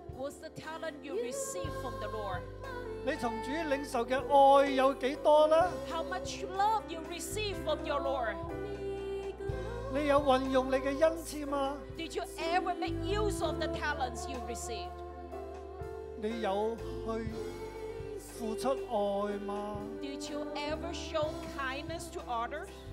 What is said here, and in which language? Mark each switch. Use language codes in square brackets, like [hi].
[en] ？What's the talent you receive from the Lord？ [yue] 你从主领受嘅爱有几多咧 [en] ？How much love you receive from your Lord？ [yue] 你有运用你嘅恩赐吗 [en] ？Did you ever make use of the talents you received？ [yue] 你有去付出爱吗 [en] ？Did you ever show kindness to others？